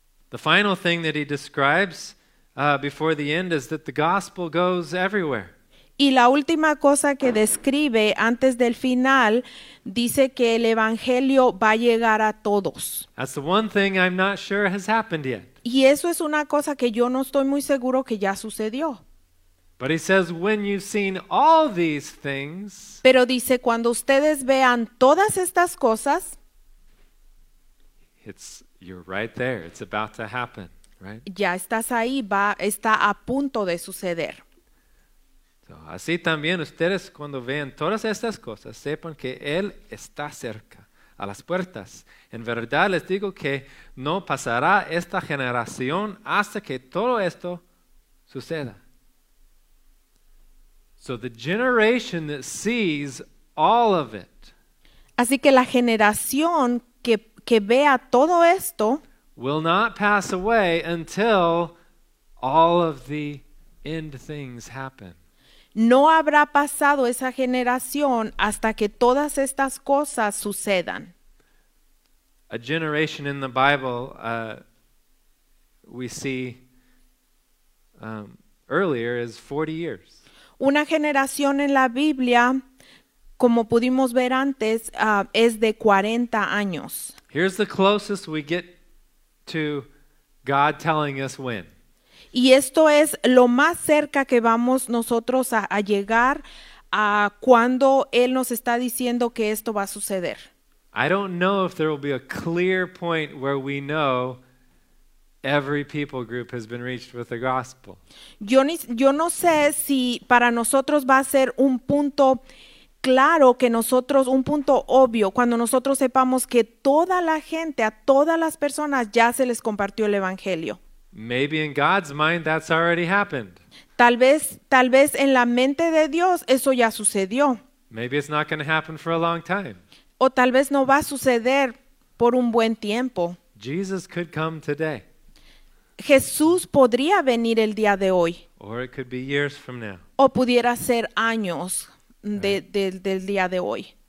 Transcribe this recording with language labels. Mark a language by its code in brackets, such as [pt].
[en] The final thing that he describes before the end is that the gospel goes everywhere. [es] Y la última cosa que describe antes del final dice que el evangelio va a llegar a todos. [en] That's the one thing I'm not sure has happened yet. [es] Y eso es una cosa que yo no estoy muy seguro que ya sucedió. [en] But he says, when you've seen all these things, [es] pero dice, cuando ustedes vean todas estas cosas, [en] it's, you're right there. It's about to happen, right? [es] Ya estás ahí, va, está a punto de suceder. So, así también ustedes cuando vean todas estas cosas, sepan que Él está cerca. A las puertas. En verdad les digo que no pasará esta generación hasta que todo esto suceda. [en] So the generation that sees all of it. [es] Así que la generación que vea todo esto [en] will not pass away until all of the end things happen. [es] No habrá pasado esa generación hasta que todas estas cosas sucedan. [en] A generation in the Bible, we see earlier, is 40 years. [es] Una generación en la Biblia, como pudimos ver antes, es de 40 años. [en] Here's the closest we get to God telling us when. [es] Y esto es lo más cerca que vamos nosotros a llegar a cuando Él nos está diciendo que esto va a suceder. [en] I don't know if there will be a clear point where we know every people group has been reached with the gospel. [es] Yo no sé si para nosotros va a ser un punto claro que nosotros, un punto obvio, cuando nosotros sepamos que toda la gente, a todas las personas ya se les compartió el evangelio. [en] Maybe in God's mind that's already happened. [es] Tal vez en la mente de Dios eso ya sucedió. [en] Maybe it's not going to happen for a long time. [es] O tal vez no va a suceder por un buen tiempo. [en] Jesus could come today. [es] Jesús podría venir el día de hoy. [en] Or it could be years from now. [es] O pudiera ser años de, right. del día de hoy.